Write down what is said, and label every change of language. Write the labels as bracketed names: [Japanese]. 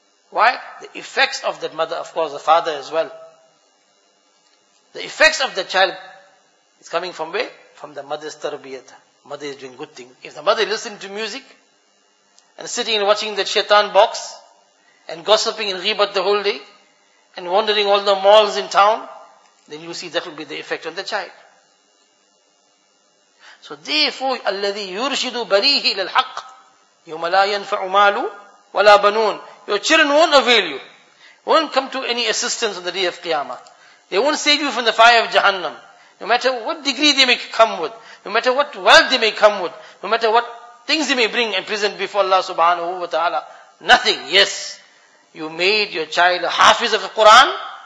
[English] Why? The effects of that mother, of course, the father as well. The effects of the child is coming from where? From the mother's tarbiyat. Mother is doing good things. If the mother is listening to music and sitting and watching the shaitan box, and gossiping in ghibat the whole day, and wandering all the malls in town, then you see that will be the effect on the child. So therefore, [Arabic] الَّذِي يُرْشِدُ بَنِيهِ إِلَى الْحَقِّ يُمَ لَا يَنْفَعُ مَالُ وَلَا بَنُونَ. [English] Your children won't avail you. Won't come to any assistance on the day of Qiyamah. They won't save you from the fire of Jahannam. No matter what degree they may come with, no matter what wealth they may come with, no matter what things they may bring and present before Allah subhanahu wa ta'ala, nothing. Yes, you made your child a hafiz of the Quran.